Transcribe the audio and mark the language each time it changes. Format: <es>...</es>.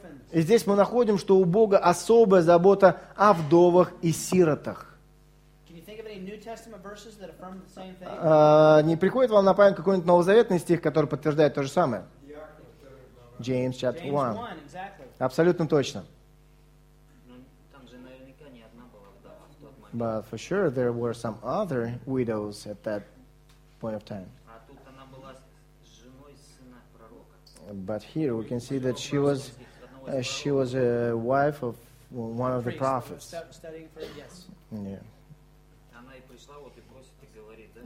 <ru>И здесь мы находим, что у Бога особая забота о вдовах и сиротах. Не приходит вам на память какой-нибудь новозаветный стих, который подтверждает то же самое?</ru> <en>James chapter 1. Exactly.</en> <ru>Абсолютно точно. Там же наверняка не одна была вдова в тот момент.</ru> <en>But for sure there were some other widows at that point of time.</en> <ru>А тут она была женой сына пророка.</ru> <en>But here we can see that she was a wife of one of the prophets. Yeah.</en> <ru>Она и пришла, вот и просит, и говорит, да?</ru>